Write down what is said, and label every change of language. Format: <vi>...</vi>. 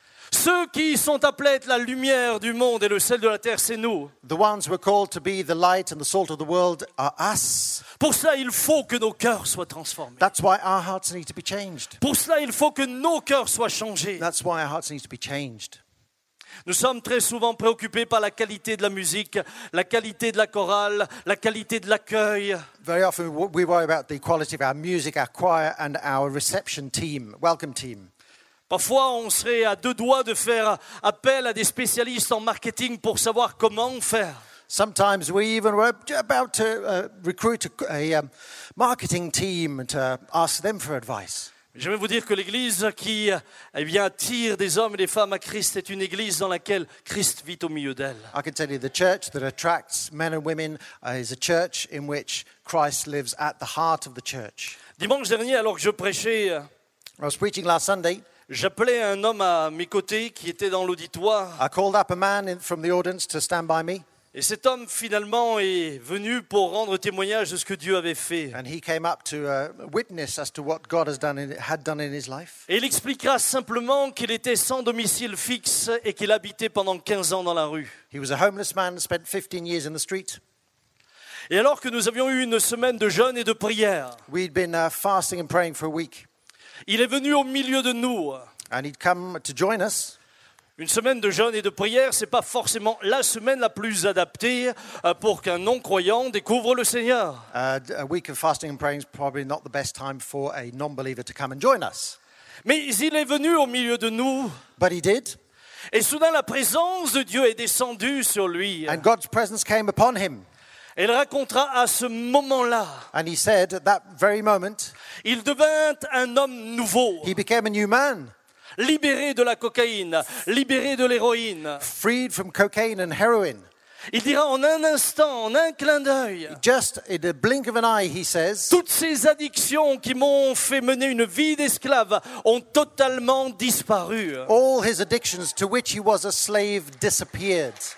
<fr>Ceux qui sont appelés à être la lumière du monde et le sel de la terre, c'est nous.</fr> <en>The ones who are called to be the light and the salt of the world are us.</en> <fr>Pour cela, il faut que nos cœurs soient transformés.</fr> <en>That's why our hearts need to be changed.</en> <fr>Pour cela, il faut que nos cœurs soient changés.</fr> <en>That's why our hearts need to be changed.</en> <fr>Nous sommes très souvent préoccupés par la qualité de la musique, la qualité de la chorale, la qualité de l'accueil.</fr> <en>Very often we worry about the quality of our music, our choir and our reception team, welcome team.</en> <fr>Parfois, on serait à deux doigts de faire appel à des spécialistes en marketing pour savoir comment faire.</fr> <en>Sometimes we even were about to recruit a marketing team to ask them for advice.</en> <fr>Je vais vous dire que l'Église qui attire des hommes et des femmes à Christ est une Église dans laquelle Christ vit au milieu d'elle.</fr> <en>I can tell you the church that attracts men and women is a church in which Christ lives at the heart of the church.</en> <fr>Dimanche dernier, alors que je prêchais,</fr> <en>I was preaching last Sunday,</en> <fr>j'appelais un homme à mes côtés qui était dans l'auditoire.</fr> <en>I called up a man from the audience to stand by me.</en> <fr>Et cet homme finalement est venu pour rendre témoignage de ce que Dieu avait fait.</fr> <en>And he came up to witness as to what God had done in his life.</en> <fr>Et il expliquera simplement qu'il était sans domicile fixe et qu'il habitait pendant 15 ans dans la rue.</fr> <en>He was a homeless man, spent 15 years in the street.</en> <fr>Et alors que nous avions eu une semaine de jeûne et de prière,</fr> <en>we'd been fasting and praying for a week.</en> <fr>Il est venu au milieu de nous.</fr> <en>And he'd come to join us.</en> <fr>Une semaine de jeûne et de prière, ce n'est pas forcément la semaine la plus adaptée pour qu'un non-croyant découvre le Seigneur.</fr> <en>A week of fasting and praying is probably not the best time for a non-believer to come and join us.</en> <fr>Mais il est venu au milieu de nous.</fr> <en>But he did.</en> <fr>Et soudain, la présence de Dieu est descendue sur lui.</fr> <en>And God's presence came upon him.</en> <fr>Il racontera à ce moment-là.</fr> <en>And he said at that very moment.</en> <fr>Il devint un homme nouveau.</fr> <en>He became a new man.</en> <fr>Libéré de la cocaïne, libéré de l'héroïne.</fr> <en>Freed from cocaine and heroin.</en> <fr>Il dira en un instant, en un clin d'œil.</fr> <en>Just in the blink of an eye, he says.</en> <fr>Toutes ces addictions qui m'ont fait mener une vie d'esclave ont totalement disparu.</fr> <en>All his addictions to which he was a slave disappeared.</en>